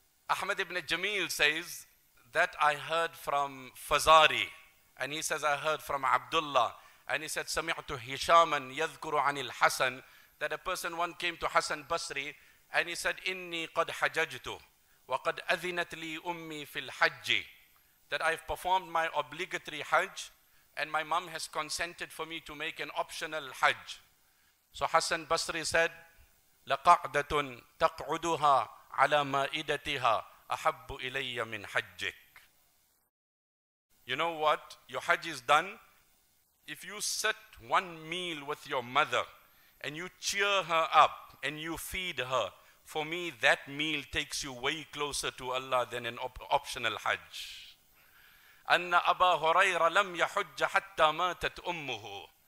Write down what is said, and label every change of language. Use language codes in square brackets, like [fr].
[en] Ahmed ibn Jamil says that I heard from Fazari, and he says I heard from Abdullah, and he said [ar] Sami'tu Hishaman yadhkuru anil Hasan, [en] that a person one came to Hassan Basri and he said [ar] Inni qad hajajtu وَقَدْ أَذِنَتْ لِي أُمِّي فِي الْحَجِّ, [en] that I have performed my obligatory hajj and my mom has consented for me to make an optional hajj. So Hassan Basri said, [ar] لَقَعْدَةٌ تَقْعُدُهَا عَلَى مَائِدَتِهَا أَحَبُّ إِلَيَّ مِنْ حَجِّكَ. [en] You know what? Your hajj is done. If you sit one meal with your mother and you cheer her up and you feed her, for me that meal takes you way closer to Allah than an optional hajj. [ar] أَنَّ أَبَا هُرَيْرَ لَمْ يَحُجَّ حَتَّى مَاتَتْ أُمُّهُ.